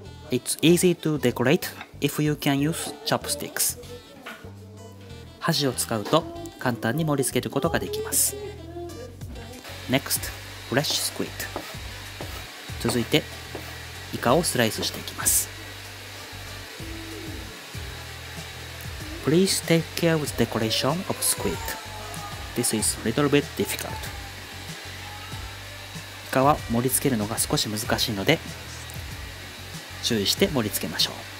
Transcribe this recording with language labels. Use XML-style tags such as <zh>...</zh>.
<en>It's easy to decorate if you can use chopsticks.</en> <ja>箸を使うと簡単に盛り付けることができます。</ja> <en>Next, fresh squid.</en> <ja>続いてイカをスライスしていきます。</ja> <en>Please take care of the decoration of squid. This is a little bit difficult.</en> <ja>イカは盛り付けるのが少し難しいので注意して盛り付けましょう。</ja>